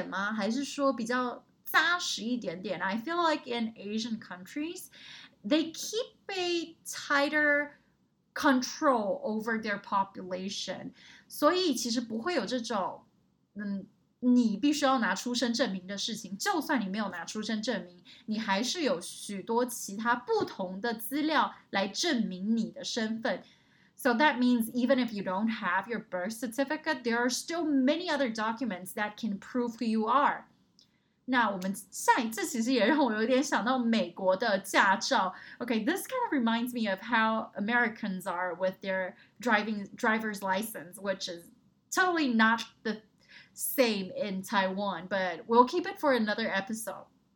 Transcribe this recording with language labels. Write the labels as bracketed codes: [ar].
[zh] 其实这件事情在亚洲国家，无论是在日本、韩国或中国，都是蛮难想象的一件事。因为我觉得在亚洲国家，其实对人口的掌控比较，该怎么说，严厉一点点吗？还是说比较扎实一点点？ [en] I feel like in Asian countries, they keep a tighter control over their population. [zh] 所以其实不会有这种。你必须要拿出生证明的事情，就算你没有拿出生证明，你还是有许多其他不同的资料来证明你的身份。 [en] So that means even if you don't have your birth certificate, there are still many other documents that can prove who you are. [zh] 那我们下一次其实也让我有点想到美国的驾照。 [en] Okay, this kind of reminds me of how Americans are with their driver's license, which is totally not the same in Taiwan, but we'll keep it for another episode.